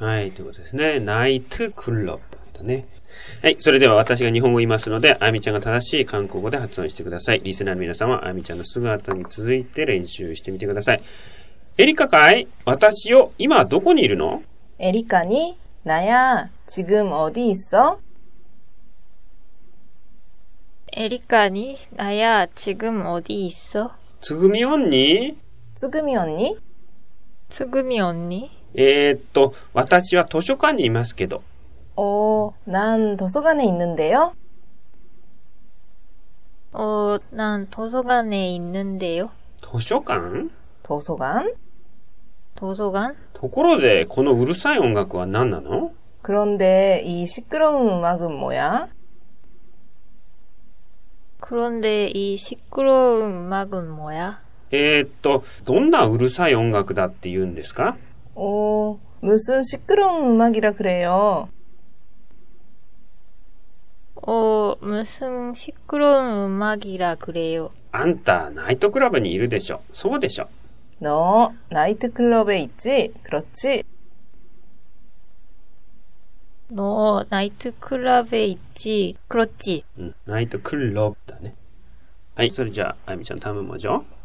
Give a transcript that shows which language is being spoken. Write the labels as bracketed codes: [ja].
[ja] はい、ということですね。ナイトクラブだね。はい、それでは私が日本語を言いますので、あやみちゃんが正しい韓国語で発音してください。リスナーの皆さんはあやみちゃんのすぐ後に続いて練習してみてください。エリカかい？私よ、今どこにいるの？エリカに、 [ko] 나야지금어디있어 에리카니나야지금어디있어 지금이언니 지금이언니 지금이언니 [ja] 私は図書館にいますけど [ko] 오난도서관에있는데요 오난도서관에있는데요 도서관 도서관 도서관 [ja] ところで、このうるさい音楽は何なの？ [ko] 그런데、이시끄러운음악은뭐야？ 그런데、이시끄러운음악은뭐야？ [ja] どんなうるさい音楽だって言うんですか？ [ko] 오、무슨시끄러운음악이라그래요？ 어, 무슨 시끄러운 음악이라 그래요? [ja] 아んた [ko] 나이트클럽에 [ja] いるでしょ。そうでしょ。 [ko] 너나이트클럽에있지？ 그렇지？ 너나이트클럽에있지？ 그렇지？ [ja] 나이트클럽だね。はい、それじゃあ、あゆみちゃん、単語もじゃ。